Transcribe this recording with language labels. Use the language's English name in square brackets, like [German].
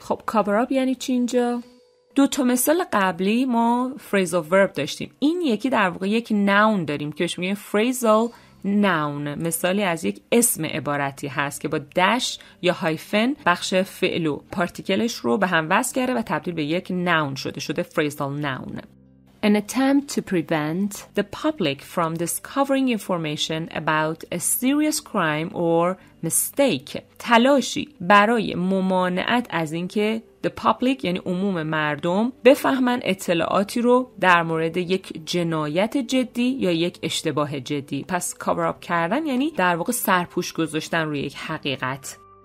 [Persian] خب cover-up یعنی چی اینجا؟ دو تا مثال قبلی ما phrasal verb داشتیم، این یکی در واقع یک noun داریم که بهش میگه phrasal noun. مثالی از یک اسم عبارتی هست که با dash یا hyphen بخش فعل و پارتیکلش رو به هم وصل کرده و تبدیل به یک noun شده، شده phrasal noun. [English] An attempt to prevent the public from discovering information about a serious crime or mistake. [Persian] تلاشی برای ممانعت از اینکه the public یعنی عموم مردم بفهمن اطلاعاتی رو در مورد یک جنایت جدی یا یک اشتباه جدی. پس cover up کردن یعنی در واقع سرپوش گذاشتن روی یک حقیقت.